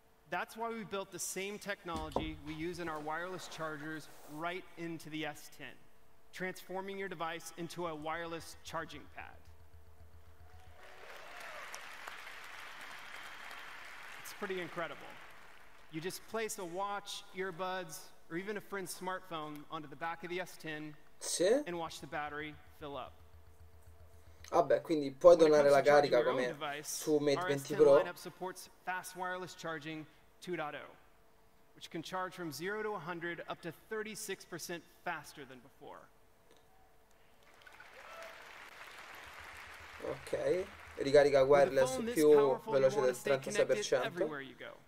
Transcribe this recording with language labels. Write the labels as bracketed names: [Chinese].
[English] That's why we built the same technology we use in our wireless chargers right into the S10, transforming your device into a wireless charging pad. It's pretty incredible. You just place a watch, earbuds, or even a friend's smartphone onto the back of the S10 and watch the battery fill up. [Italian] Vabbè, quindi puoi donare la carica come su Mate 20 Pro. [English] Lineup supports fast wireless charging 2.0, which can charge from 0 to 100 up to 36% faster than before. [Italian] Ok, ricarica wireless più veloce del 36%.